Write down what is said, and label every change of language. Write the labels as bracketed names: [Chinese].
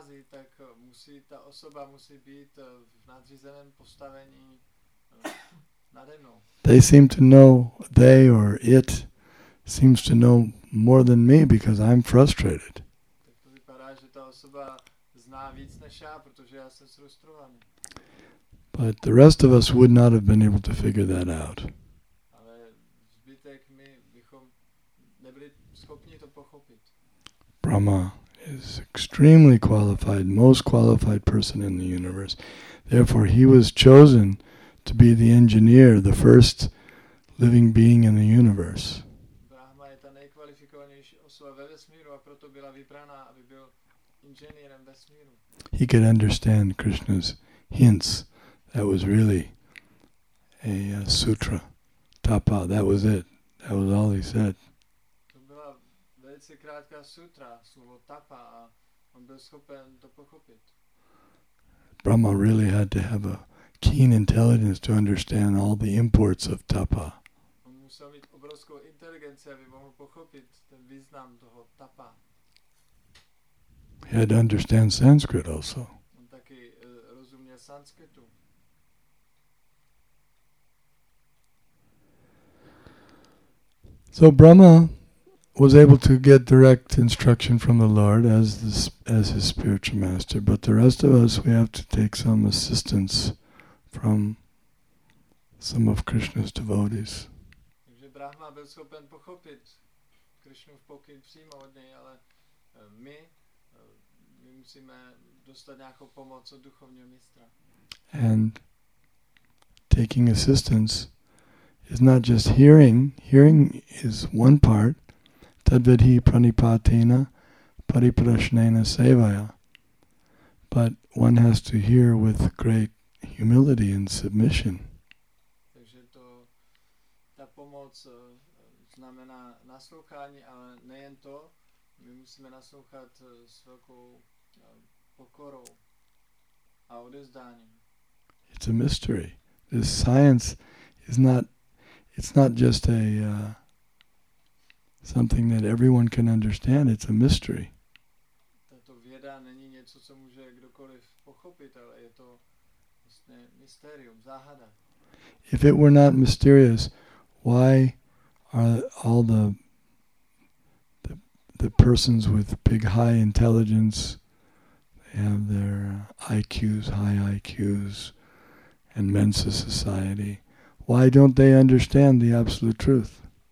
[Czech] Tak musí ta osoba musí být v nadřízeném postavení nade mnou. [English] They seem to know, they or it seems to know more than me because I'm frustrated. [Czech] Tak to vypadá, že ta osoba zná víc než já, protože já jsem frustrovaný. [English] But the rest of us would not have been able to figure that out. [Czech] Ale zbytek my bychom nebyli schopni to pochopit. [English] Brahma is extremely qualified, most qualified person in the universe. Therefore, he was chosen to be the engineer, the first living being in the universe. [Czech] Brahma je ta nejkvalifikovanější osoba ve vesmíru a proto byla vybraná, aby byl inženýrem vesmíru. [English] He could understand Krishna's hints. That was really a sutra, tapa. That was it. That was all he said. [Czech] Krátká sutra, slovo tapa, a on byl schopen to pochopit. [English] Brahma really had to have a keen intelligence to understand all the imports of tapa. [Czech] On musel mít obrovskou inteligenci, aby mohl pochopit ten význam toho tapa. [English] He had to understand Sanskrit also. [Czech] On taky rozuměl sanskritu. [English] So Brahma was able to get direct instruction from the Lord as his spiritual master, but the rest of us, we have to take some assistance from some of Krishna's devotees. [Czech] Takže Brahma byl schopen pochopit Krishnův pokyn přímo od něj, ale my musíme dostat nějakou pomoc od duchovního mistra. [English] And taking assistance is not just hearing. Hearing is one part. [Sanskrit] Tadvidhi pranipatena pariprashnena sevaya. [English] But one has to hear with great humility and submission. [Czech] Takže to, ta pomoc znamená naslouchání, ale nejen to, my musíme naslouchat s velkou pokorou a odevzdáním. [English] It's a mystery. This science is not, it's not just a something that everyone can understand. It's a mystery. [Czech] Tato věda není něco, co může kdokoliv pochopit, ale je to vlastně mysterium, záhada. [English] If it were not mysterious, why are all the persons with big high intelligence, they have their IQs, high IQs, and Mensa society, why don't they understand the absolute truth?